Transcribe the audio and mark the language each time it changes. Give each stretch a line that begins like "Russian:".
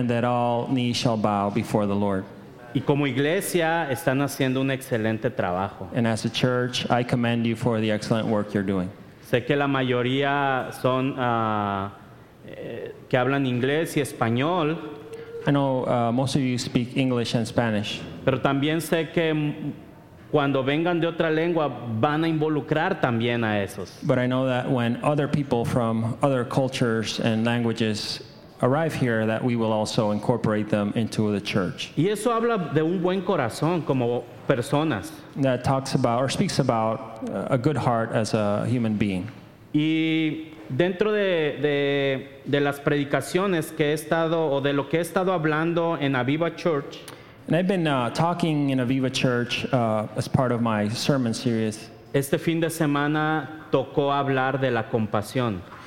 English: And that all knees shall bow before the Lord.
Spanish: Y como iglesia están haciendo un excelente trabajo.
English: And as a church, I commend you for the excellent work you're doing.
Spanish: Sé que la mayoría son que hablan inglés y español.
English: I know most of you speak English and Spanish.
Spanish: Pero también sé que cuando vengan de otra lengua van a involucrar también a esos.
English: But I know that when other people from other cultures and languages arrive here, that we will also incorporate them into the church.
Spanish: Y eso habla de un buen corazón como personas.
English: That talks about or speaks about a good heart as a human being.
Spanish: Y dentro de las predicaciones que he estado o de lo que he estado hablando en Aviva Church.
English: And I've been talking in Aviva Church as part of my sermon series.
Spanish: Este fin de semana tocó hablar de la compasión.